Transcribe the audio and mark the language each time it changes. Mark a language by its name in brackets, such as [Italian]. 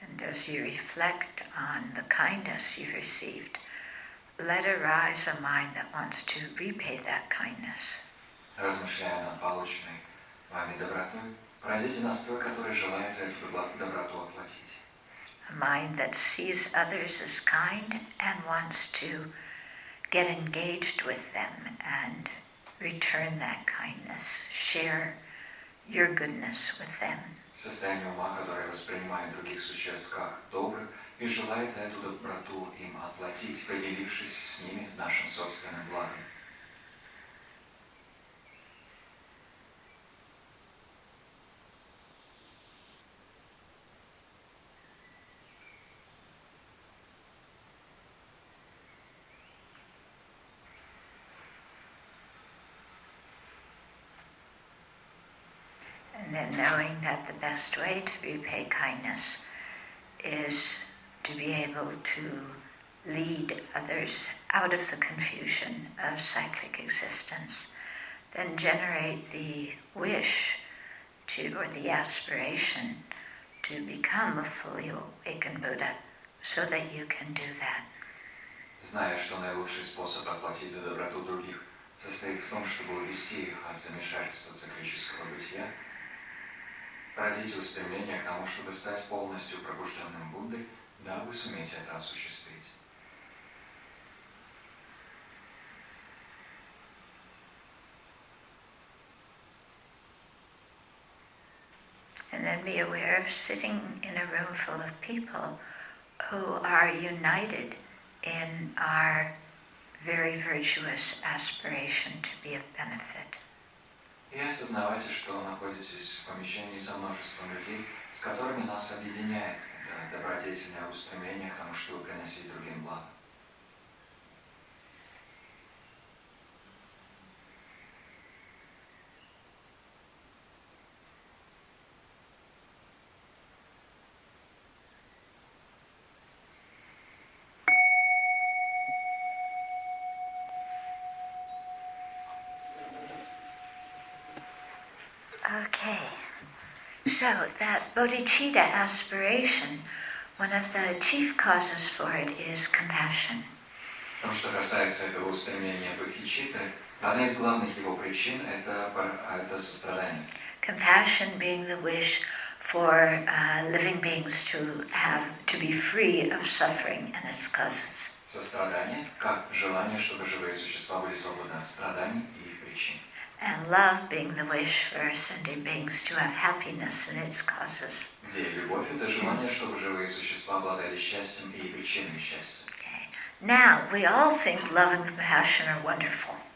[English] As you reflect on the kindness you've received, let arise a mind that wants to repay that kindness. [Russian] Размышляя над полученной вами добротой, пройдите настрой, который желает за эту доброту оплатить. [English] A mind that sees others as kind and wants to get engaged with them and return that kindness, share your goodness with them. [Russian] Состояние ума, которое воспринимает других существ как добрых, и желает за эту доброту им отплатить, поделившись с ними нашим собственным благом. [English] And then knowing that the best way to repay kindness is to be able to lead others out of the confusion of cyclic existence, then generate the wish to, or the aspiration to become a fully awakened Buddha so that you can do that. [Russian] Зная, что наилучший способ оплатить за доброту других состоит в том, чтобы увести их от замешательства циклического бытия, родите устремление к тому, чтобы стать полностью пробужденным Буддой, дабы суметь это осуществить. [English] And then be aware of sitting in a room full of people who are united in our very virtuous aspiration to be of benefit. [Russian] И осознавайте, что находитесь в помещении со множеством людей, с которыми нас объединяет это добродетельное устремление к тому, чтобы приносить другим благо. [English] So that bodhicitta aspiration, one of the chief causes for it is compassion. [Russian] Потому что касается этого устремления бодхичитты, одна из главных его причин – это сострадание. [English] Compassion being the wish for living beings to be free of suffering and its causes. [Russian] Сострадание как желание, чтобы живые существа были свободны от страданий и их причин. [English] And love being the wish for sentient beings to have happiness and its causes. [Russian] Где любовь – это желание, чтобы живые существа обладали счастьем и причиной счастья. [English] Now, we all think love and compassion are wonderful.